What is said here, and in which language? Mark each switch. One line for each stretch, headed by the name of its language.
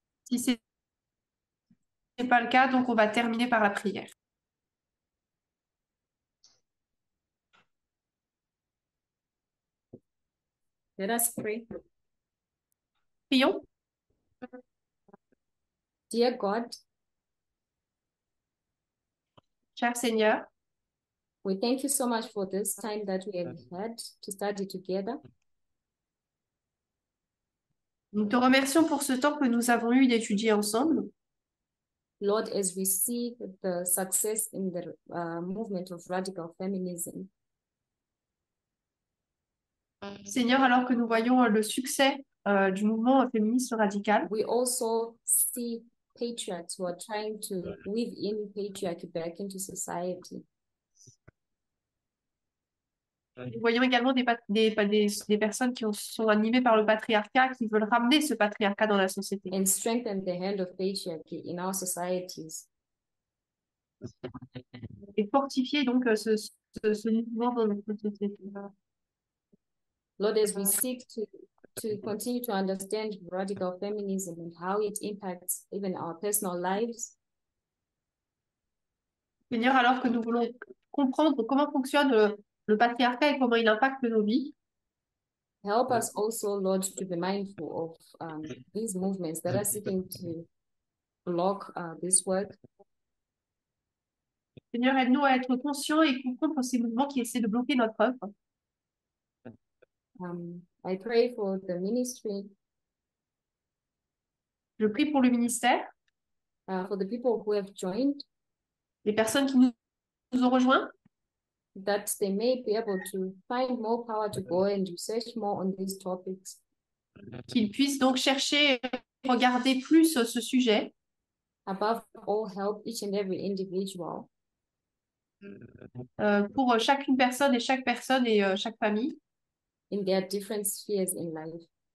French: Si c'est pas le cas, donc on va terminer par la prière.
English: Let us pray.
French: Prions.
English: Dear God,
French: Cher Seigneur,
English: we thank you so much for this time that we have had to study together.
French: nous te remercions pour ce temps que nous avons eu d'étudier ensemble.
English: Lord, as we see the success in the movement of radical feminism,
French: Seigneur, alors que nous voyons le succès du mouvement féministe radical,
English: we also see patriarchs who are trying to weave in patriarchy back into society.
French: Nous voyons également des personnes qui sont animées par le patriarcat, qui veulent ramener ce patriarcat dans la société.
English: And strengthen the hand of patriarchy in our societies.
French: Et fortifier donc ce mouvement dans notre société.
English: Lord, as we seek to continue to understand radical feminism and how it impacts even our personal lives.
French: Seigneur, alors que nous voulons comprendre comment fonctionne le patriarcat et comment il impacte nos vies.
English: Help us also, Lord, to be mindful of these movements that are seeking to block this work.
French: Seigneur, aide-nous à être conscients et comprendre ces mouvements qui essaient de bloquer notre œuvre.
English: I pray for the ministry.
French: Je prie pour le ministère.
English: For the people who have joined.
French: Les personnes qui nous ont rejoints.
English: That they may be able to find more power to go and research more on these topics.
French: Qu'ils puissent donc chercher et regarder plus ce sujet.
English: Above all, help each and every individual.
French: Pour chacune personne et chaque personne et chaque famille.
English: In their different spheres in life.